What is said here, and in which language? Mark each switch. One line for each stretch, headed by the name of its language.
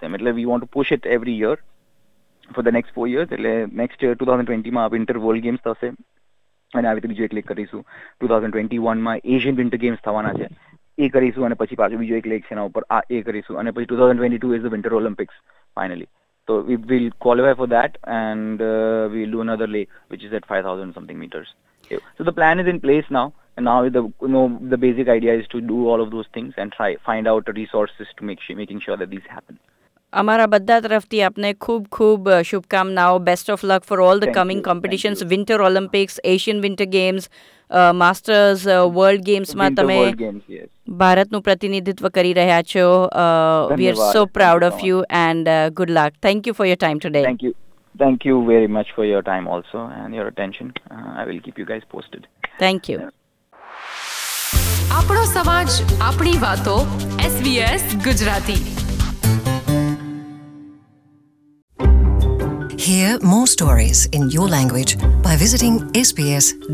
English: I mean, we want to push it every year for the next 4 years.
Gujarati: એટલે next year 2020 માં આ winter world games થશે, અને આવી બીજું એક લેક કરીશું. 2021 માં એશિયન વિન્ટર ગેમ્સ થવાના છે, એ કરીશું. અને પછી પાછું બીજો એક લેક છે એના ઉપર, આ એ કરીશું. અને પછી
English: 2022 is the winter Olympics finally, તો we will qualify for that and we will do another lake which is at 5000 something metres. So the plan is in place now. And now the basic idea is to do all of those things and try find out resources to making sure that these happen.
Gujarati: અમારા બધા તરફથી આપને ખૂબ ખૂબ શુભકામનાઓ.
English: best of luck for all the coming competitions,
Gujarati: winter Olympics, Asian winter games, masters, world ગેમ્સમાં તમે ભારતનું પ્રતિનિધિત્વ કરી રહ્યા છો.
English: We are so proud of you and good luck. Thank you for your time today. Thank you very much for your time also and your attention. I will keep you guys posted. Thank you.
Gujarati: આપણો સમાજ, આપણી વાતો, SBS Gujarati.
English: Hear more stories in your language by visiting sbs.com.au.